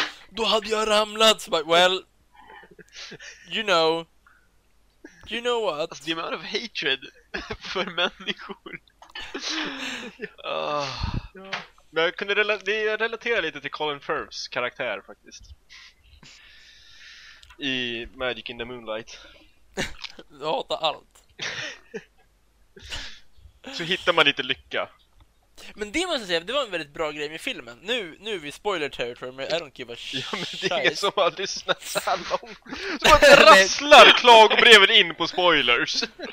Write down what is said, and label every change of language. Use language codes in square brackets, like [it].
[sv] Då hade jag ramlat. Så bara, [en] well, you know. You know what, [sv] alltså, [en] the amount of hatred [sv] för människor. Men jag kunde relatera lite till Colin Firths karaktär faktiskt. I Magic in the Moonlight. Du hatar allt. Så hittar man lite lycka. Men det måste jag säga, det var en väldigt bra grej med filmen. Nu är vi [en] spoiler territory, [sv] men [en] I don't give a shit. [sv] Ja, men det är ingen som har lyssnat så här långt. Så man rasslar klagobreven in på spoilers.